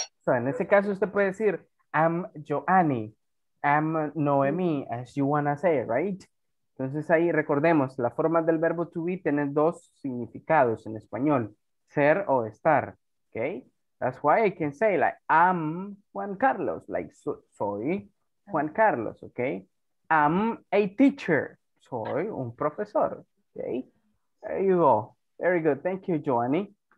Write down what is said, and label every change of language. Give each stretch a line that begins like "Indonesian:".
Spanish: So en este caso usted puede decir am Joanny.
English: Am Noemi, as you want to say, right?
Spanish: Entonces ahí recordemos, la forma del verbo to be tiene dos significados en español. Ser o estar. Okay.
English: That's why I can say like am Juan Carlos. Like soy Juan Carlos. Okay. I'm a teacher.
Spanish: Soy un profesor.
English: Okay. There you go. Very good. Thank you, Joanny.